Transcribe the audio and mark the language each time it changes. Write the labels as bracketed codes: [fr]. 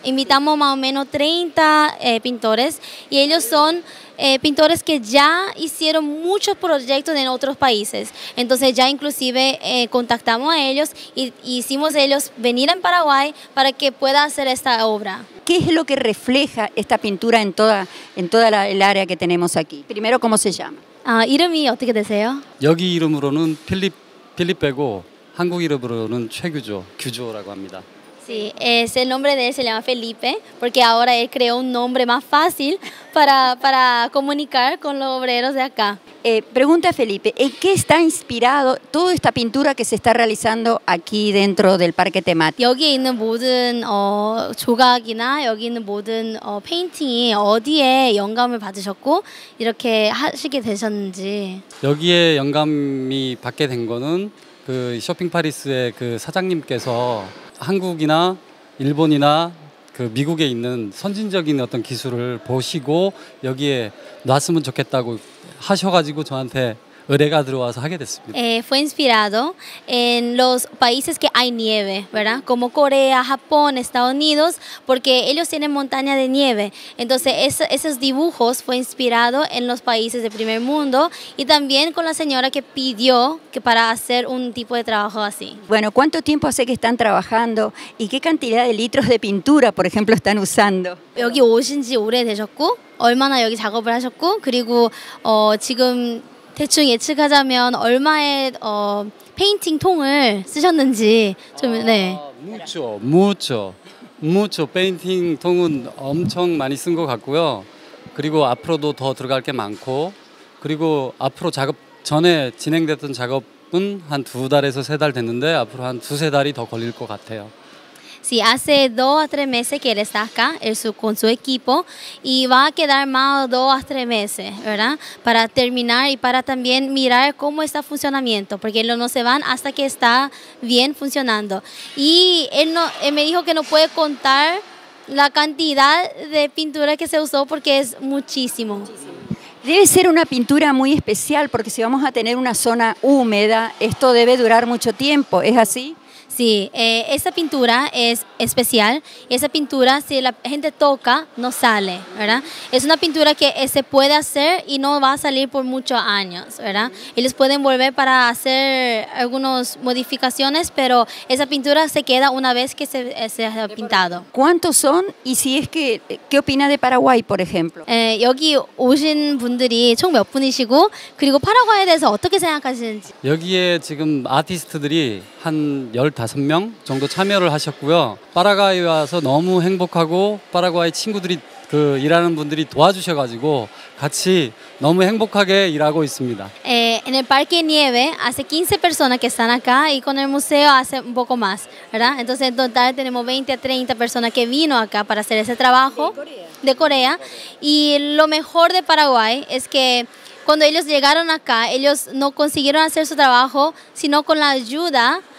[es] Invitamos más o menos 30 pintores y ellos son pintores que ya hicieron muchos proyectos en otros países. Entonces ya inclusive contactamos a ellos e hicimos ellos venir en Paraguay para que pueda hacer esta obra. ¿Qué es lo que refleja esta pintura en toda el área que tenemos aquí? Primero, ¿cómo se llama? [ko] ¿이름이 어떻게 되세요? 여기 이름으로는 필립. 필리페고 한국 이름으로는 최규조, 규조라고 합니다. [es] Sí, ese nombre de él se llama Felipe, porque ahora él creó un nombre más fácil para comunicar con los obreros de acá. Pregunta Felipe, ¿en qué está inspirado toda esta pintura que se está realizando aquí dentro del parque temático? [ko] 여기 있는 모든 조각이나 여기 있는 모든 페인팅이 어디에 영감을 받으셨고 이렇게 하시게 되셨는지. 여기에 영감이 받게 된 거는 그 쇼핑 파리스의 그 사장님께서 한국이나 일본이나 그 미국에 있는 선진적인 어떤 기술을 보시고 여기에 놨으면 좋겠다고 하셔가지고 저한테 의뢰가 들어와서 하게 됐습니다. [es] Fue inspirado en los países que hay nieve, ¿verdad? Como Corea, Japón, Estados Unidos, porque ellos tienen montaña de nieve. Entonces esos dibujos fue inspirado en los países del primer mundo y también con la señora que pidió que para hacer un tipo de trabajo así. Bueno, ¿cuánto tiempo hace que están trabajando y qué cantidad de litros de pintura, por ejemplo, están usando? [ko] 여기 오신 지 오래되셨고 얼마나 여기 작업을 하셨고 그리고 지금 대충 예측하자면 얼마의 페인팅 통을 쓰셨는지 좀 네. [es] Mucho, mucho, mucho. [ko] 페인팅 통은 엄청 많이 쓴 것 같고요. 그리고 앞으로도 더 들어갈 게 많고, 그리고 앞으로 작업 전에 진행됐던 작업은 한 두 달에서 세 달 됐는데 앞으로 한 두세 달이 더 걸릴 것 같아요. [es] Sí, hace 2 a 3 meses que él está acá, con su equipo, y va a quedar más 2 a 3 meses, ¿verdad? Para terminar y para también mirar cómo está el funcionamiento, porque ellos no se van hasta que está bien funcionando. Y él me dijo que no puede contar la cantidad de pintura que se usó porque es muchísimo. Debe ser una pintura muy especial porque si vamos a tener una zona húmeda, esto debe durar mucho tiempo, ¿es así? Sí, esa pintura es especial. Esa pintura, si la gente toca, no sale, ¿verdad? Es una pintura que se puede hacer y no va a salir por muchos años, ¿verdad? Ellos pueden volver para hacer algunas modificaciones, pero esa pintura se queda una vez que se ha pintado. ¿Cuántos son? Y si es que, ¿qué opina de Paraguay, por ejemplo? [ko] 여기 오신 분들이 총 몇 분이시고, 그리고 파라과이에 대해서 어떻게 생각하시는지? 여기에 지금 아티스트들이 한 15명 정도 참여를 하셨고요. 파라과이 와서 너무 행복하고 파라과이 친구들이 그 일하는 분들이 도와주셔가지고 같이 너무 행복하게 일하고 있습니다. [es] En el parque nieve hace 15 personas que están acá y con el museo hace un poco más, ¿verdad? Entonces en total tenemos 20 a 30 personas que vino acá para hacer ese trabajo de Corea. Y lo mejor de Paraguay es que cuando ellos llegaron acá, ellos no consiguieron hacer su trabajo, sino con la ayuda